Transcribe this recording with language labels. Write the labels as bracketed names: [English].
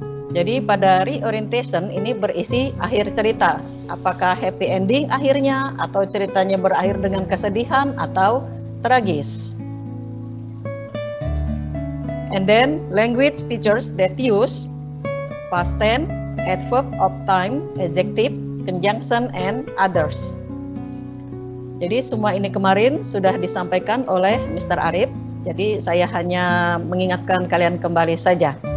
[Indonesian] Jadi pada reorientation ini berisi akhir cerita. Apakah happy ending akhirnya, atau ceritanya berakhir dengan kesedihan, atau tragis. [English] And then language features that use past tense, adverb of time, adjective, conjunction, and others. [Indonesian] Jadi semua ini kemarin sudah disampaikan oleh Mr. Arif. Jadi saya hanya mengingatkan kalian kembali saja.